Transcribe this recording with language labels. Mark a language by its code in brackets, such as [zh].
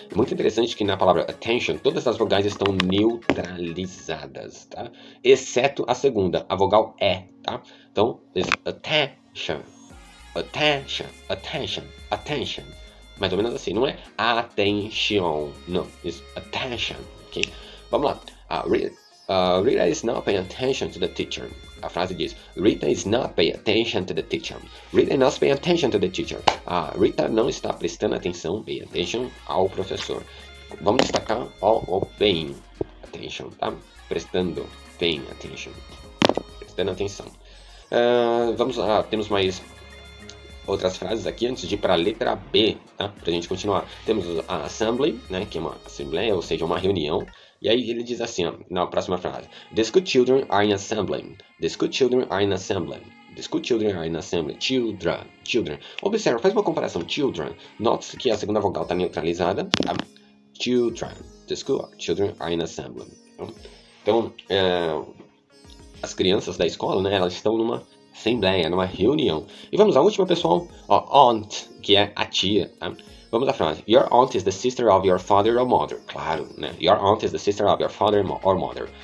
[pt] Muito interessante que na palavra attention, todas as vogais estão neutralizadas, tá? Exceto a segunda, a vogal E, tá? Então, attention, attention, attention, attention. Mais ou menos assim, não é attention, não. [en] It's attention, ok? [pt] Vamos lá. [en] Rita is not paying attention to the teacher. [pt] A frase diz, [en] Rita is not paying attention to the teacher. Rita is not paying attention to the teacher. [pt] Ah, Rita não está prestando atenção, [en] pay attention [pt] ao professor. Vamos destacar o [en] paying attention, [pt] tá? Prestando, paying attention. Prestando atenção. Vamos lá, temos mais outras frases aqui antes de ir para a letra B, tá? Para a gente continuar. Temos a assembly, né? Que é uma assembleia, ou seja, uma reunião. E aí ele diz assim, ó, na próxima frase. [en] The school children are in assembly. The school children are in assembly. The school children are in assembly. Children, children. [pt] Observe, faz uma comparação. [en] Children. [pt] Note-se que a segunda vogal está neutralizada. Tá? Children. [en] The school children are in assembly. [pt] Então, as crianças da escola, né, elas estão numa assembleia, numa reunião. E vamos à última, pessoal. Ó, aunt, que é a tia, tá? Vamos à frase. [en] Your aunt is the sister of your father or mother. [pt] Claro, né? [en] Your aunt is the sister of your father or mother.